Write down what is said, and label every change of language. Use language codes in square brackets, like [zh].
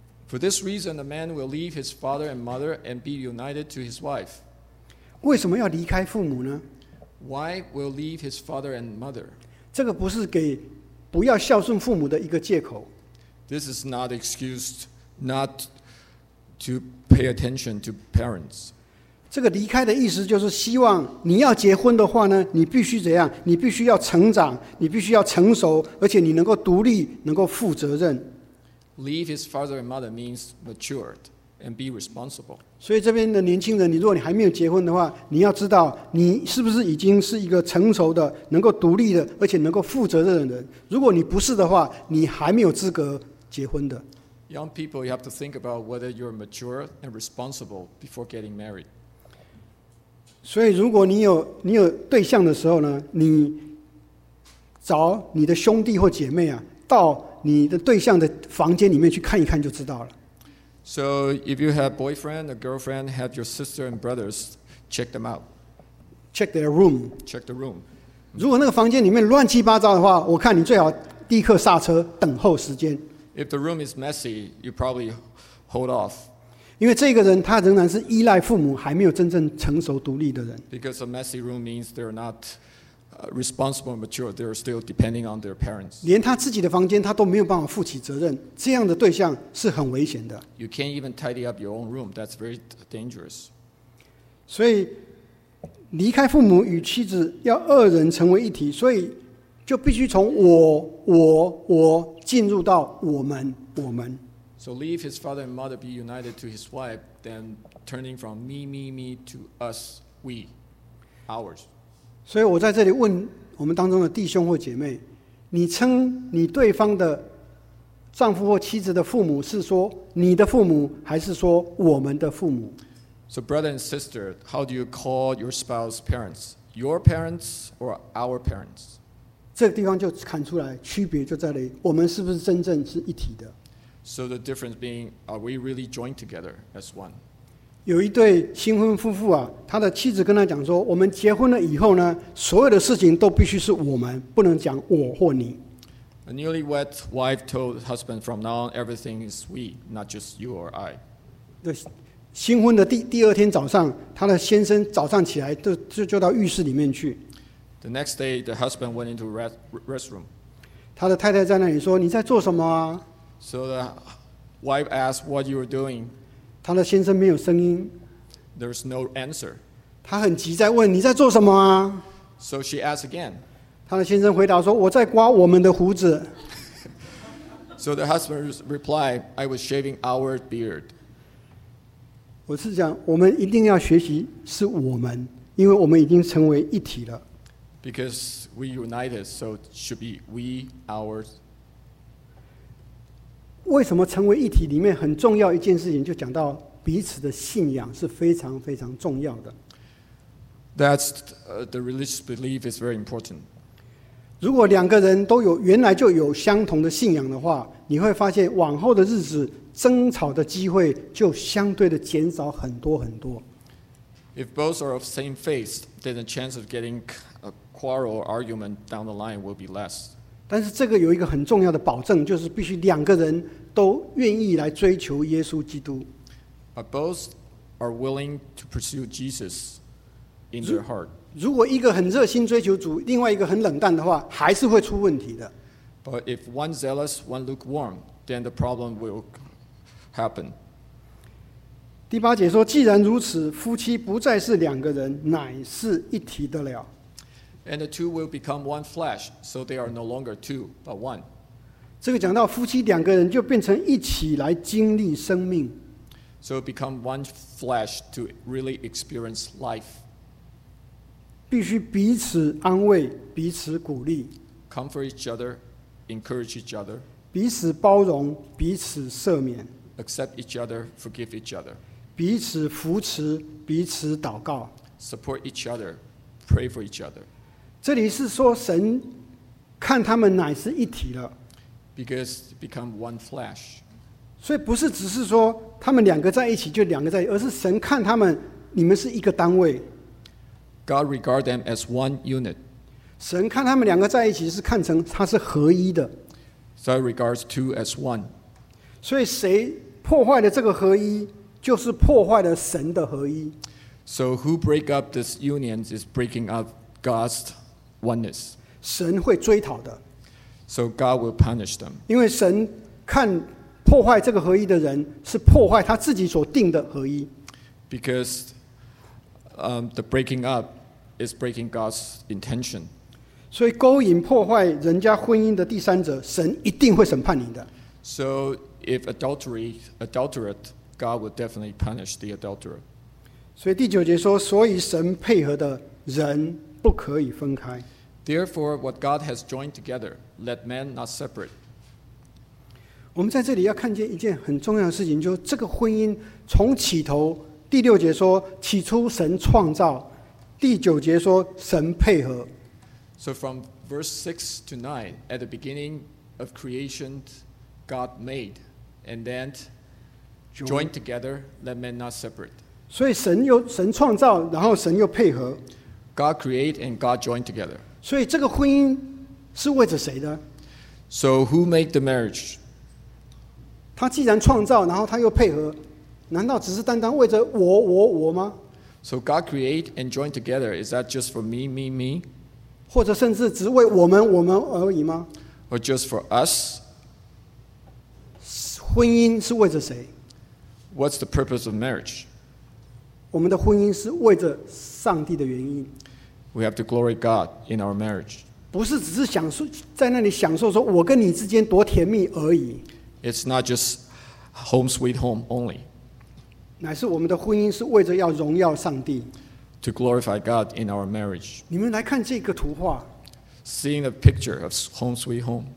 [en] For this reason, a man will leave his father and mother and be united to his wife. [zh] 为什么要离开父母呢？ [en] Why will leave his father and mother? [zh] 这个不是给不要孝顺父母的一个借口。 [en] This is not excuse not to pay attention to parents. [zh] 这个离开的意思就是希望你要结婚的话呢，你必须怎样？你必须要成长，你必须要成熟，而且你能够独立，能够负责任。 [en] Leave his father and mother means matured and be responsible. [zh] 所以这边的年轻人，你如果你还没有结婚的话，你要知道你是不是已经是一个成熟的、能够独立的，而且能够负责任的人。如果你不是的话，你还没有资格结婚的。 [en] Young people, you have to think about whether you're mature and responsible before getting married. [zh] 所以如果你有对象的时候呢，你找你的兄弟或姐妹啊，到你的对象的房间里面去看一看就知道了。 [en] So if you have boyfriend or girlfriend, have your sister and brothers check them out. Check their room. Check the room. [zh] 如果那个房间里面乱七八糟的话，我看你最好立刻刹车，等候时间。 [en] If the room is messy, you probably hold off. [zh] 因为这个人他仍然是依赖父母，还没有真正成熟独立的人。 [en] Because a messy room means they're not. Responsible and mature, they are still depending on their parents. [zh] 连他自己的房间他都没有办法负起责任，这样的对象是很危险的。 [en] You can't even tidy up your own room. That's very dangerous. [zh] 所以离开父母与妻子要二人成为一体，所以就必须从我进入到我们。 [en] So leave his father and mother be united to his wife, then turning from me to us, we, ours. [zh] 所以我在这里问我们当中的弟兄或姐妹，你称你对方的丈夫或妻子的父母是说你的父母，还是说我们的父母？ [en] So brother and sister, how do you call your spouse's parents? Your parents or our parents? [zh] 这个地方就看出来区别就在这里，我们是不是真正是一体的？ [en] So the difference being, are we really joined together as one? [zh] 有一对新婚夫妇啊，他的妻子跟他讲说，我们结婚了以后呢，所有的事情都必须是我们，不能讲我或你。 [en] A newlywed wife told husband, from now on, everything is we, not just you or I. [zh] 新婚的第二天早上，他的先生早上起来就到浴室里面去。 [en] The next day, the husband went into restroom. [zh] 他的太太在那里说，你在做什么啊？ [en] So the wife asked what you were doing. [zh] 他的先生没有声音。 [en] There's no answer. [zh] 他很急在问你在做什么啊？ [en] So she asked again. [zh] 他的先生回答说我在刮我们的胡子。 [en] So the husband replied, I was shaving our beard. [zh] 我是讲我们一定要学习是我们，因为我们已经成为一体了。 [en] Because we united, so it should be we, ours. [zh] 为什么成为一体里面很重要一件事情，就讲到彼此的信仰是非常非常重要的。 [en] That's the religious belief is very important. [zh] 如果两个人都有原来就有相同的信仰的话，你会发现往后的日子争吵的机会就相对的减少很多很多。 [en] If both are of same faith, then the chance of getting a quarrel or argument down the line will be less. [zh] 但是这个有一个很重要的保证，就是必须两个人都愿意来追求耶稣基督。 [en] But both are willing to pursue Jesus in their heart. [zh] 如果一个很热心追求主，另外一个很冷淡的话，还是会出问题的。 [en] But if one zealous, one lukewarm, then the problem will happen. [zh] 第八节说，既然如此，夫妻不再是两个人，乃是一体的了。 [en] And the two will become one flesh, so they are no longer two, but one. [zh] 这个讲到夫妻两个人就变成一起来经历生命。 [en] So become one flesh to really experience life. [zh] 必须彼此安慰，彼此鼓励。 [en] Comfort each other, encourage each other. [zh] 彼此包容，彼此赦免。 [en] Accept each other, forgive each other. [zh] 彼此扶持，彼此祷告。 [en] Support each other, pray for each other. [zh] 这里是说神看他们乃是一体了 [en] ，because become one flesh。 [zh] 所以不是只是说他们两个在一起就两个在一起，而是神看他们你们是一个单位。 [en] God regards them as one unit. [zh] 神看他们两个在一起是看成他是合一的。 [en] So regards two as one. [zh] 所以谁破坏了这个合一，就是破坏了神的合一。 [en] So who break up this union is breaking up God's oneness. [zh] 神会追讨的。 [en] So God will punish them. [zh] 因为神看破坏这个合一的人是破坏他自己所定的合一。 [en] Because the breaking up is breaking God's intention. [zh] 所以勾引破坏人家婚姻的第三者，神一定会审判你的。 [en] So if adultery, adulterate, God will definitely punish the adulterer. [zh] 所以第九节说，所以神配合的人不可以分开。 [en] Therefore, what God has joined together, let man not separate. [zh] 我们在这里要看见一件很重要的事情，就是这个婚姻从起头。第六节说起初神创造，第九节说神配合。 [en] So from verse 6 to 9, at the beginning of creation, God made, and then joined together, let men not separate. [zh] 所以神创造，然后神又配合。 [en] God create and God joined together. [zh] 所以这个婚姻是为着谁的？ [en] So who made the marriage? [zh] 他既然创造，然后他又配合。难道只是单单为着我吗？ [en] So God create and join together, is that just for me? [zh] 或者甚至只为我们而已吗？ [en] Or just for us? [zh] 婚姻是为着谁？ [en] What's the purpose of marriage? [zh] 我们的婚姻是为着上帝的原因。 [en] We have to glory God in our marriage. [zh] 不是只是享受在那里享受说我跟你之间多甜蜜而已。 [en] It's not just home sweet home only. [zh] 乃是我们的婚姻是为着要荣耀上帝。 [en] To glorify God in our marriage. [zh] 你们来看这个图画。 [en] Seeing a picture of home sweet home.